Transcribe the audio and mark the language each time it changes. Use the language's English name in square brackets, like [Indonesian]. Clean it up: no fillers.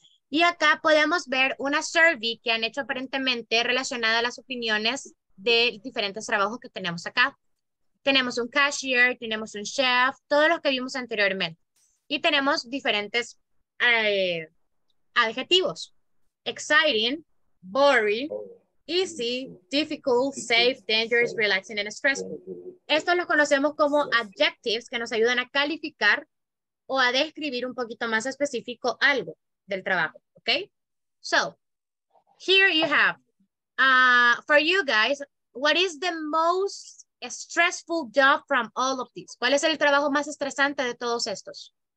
[Spanish] Y acá podemos ver una survey que han hecho aparentemente relacionada a las opiniones de diferentes trabajos que tenemos acá. Tenemos un cashier, tenemos un chef, todos los que vimos anteriormente. Y tenemos diferentes adjetivos. [English] Exciting, boring, easy, difficult, safe, dangerous, relaxing, and stressful. [Spanish] Estos los conocemos como adjectives que nos ayudan a calificar o a describir un poquito más específico algo del trabajo. [English] Okay? So, here you have for you guys, what is the most stressful job from all of these? [Spanish] ¿Cuál es el trabajo más estresante de todos estos?